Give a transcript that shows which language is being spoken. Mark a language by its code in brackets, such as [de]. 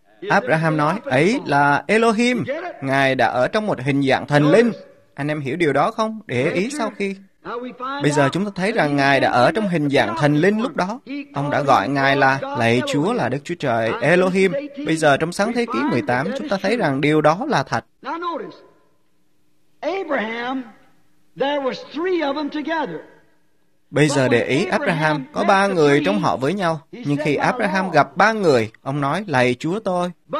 [vi] Abraham nói, ấy là Elohim, Ngài đã ở trong một hình dạng thần linh. Anh em hiểu điều đó không? Để ý sau khi. Bây giờ chúng ta thấy rằng Ngài đã ở trong hình dạng thần linh lúc đó. Ông đã gọi Ngài là Lạy Chúa, là Đức Chúa Trời Elohim. Bây giờ trong sáng thế ký 18, chúng ta thấy rằng điều đó là thật. [en] Abraham, there was three of them together. [vi] Bây giờ để ý, Abraham có ba người trong họ với nhau. Nhưng khi Abraham gặp ba người, ông nói, Lạy Chúa tôi.